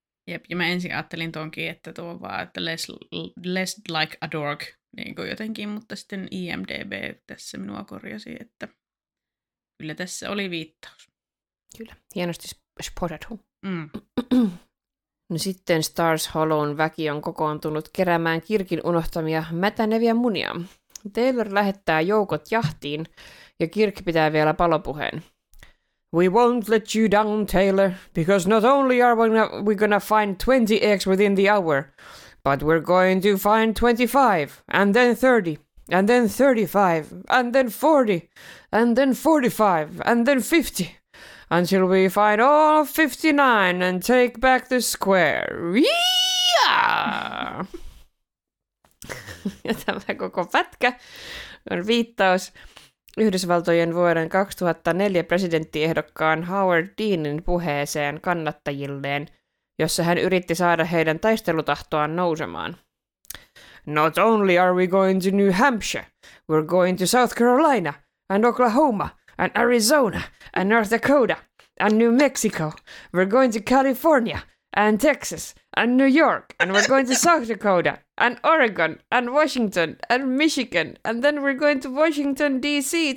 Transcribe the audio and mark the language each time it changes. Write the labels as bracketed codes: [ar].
[fi] Jep, ja mä ensin ajattelin tuonkin, että tuo on vaan, että [en] less like a dork, [fi] niin kuin jotenkin, mutta sitten IMDb tässä minua korjasi, että kyllä tässä oli viittaus. Kyllä, hienosti spotattu. Mm. No sitten Stars Hollown väki on kokoontunut keräämään Kirkin unohtamia mätäneviä munia. Taylor lähettää joukot jahtiin, ja Kirk pitää vielä palopuheen. [en] We won't let you down, Taylor, because not only are we gonna find 20 eggs within the hour, but we're going to find 25, and then 30, and then 35, and then 40, and then 45, and then 50, until we find all 59 and take back the square. Yeah! [fi] Ja tämä koko pätkä on viittaus Yhdysvaltojen vuoden 2004 presidenttiehdokkaan Howard Deanin puheeseen kannattajilleen, jossa hän yritti saada heidän taistelutahtoaan nousemaan. [en] Not only are we going to New Hampshire, we're going to South Carolina, and Oklahoma, and Arizona, and North Dakota, and New Mexico. We're going to California, and Texas, and New York, and we're going to South Dakota, and Oregon, and Washington, and Michigan, and then we're going to Washington, D.C.